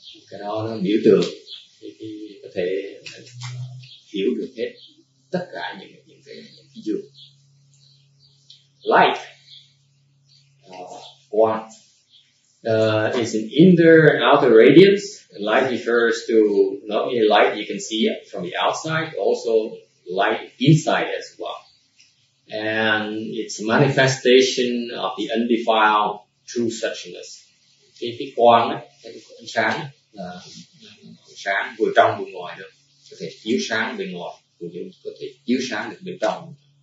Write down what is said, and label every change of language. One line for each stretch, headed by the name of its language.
Vietnamese: Cái đó nó biểu tượng thì có thể hiểu được hết tất cả những cái dược.
English: Light, quang, is an inner and outer radiance. And light refers to not only light you can see from the outside, also light inside as well. And it's a manifestation of the undefiled true suchness.
Vietnamese: Cái quang ánh sáng sáng vừa trong vừa ngoài được, có thể chiếu sáng bên ngoài cũng như có thể chiếu sáng được bên trong.